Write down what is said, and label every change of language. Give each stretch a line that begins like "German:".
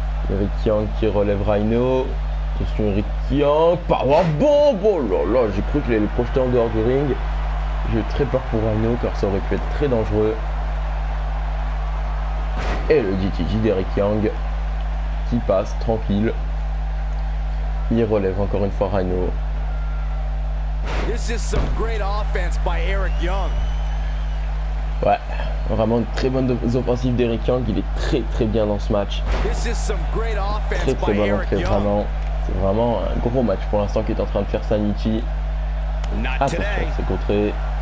French: Eric Young qui relève Rhino. Attention, Eric Young. Powerbomb. Oh là là, j'ai cru qu'il allait le projeter en dehors du ring. J'ai très peur pour Rhino car ça aurait pu être très dangereux. Et le DTG d'Eric Young qui passe tranquille. Il relève encore une fois Rhino.
English: This is some great offense by Eric Young.
French: Ouais, vraiment une très bonne offensive d'Eric Young, il est très très bien dans ce match. Très très bonne entrée, vraiment. C'est vraiment un gros match pour l'instant qui est en train de faire Sanity. Attention, c'est contré.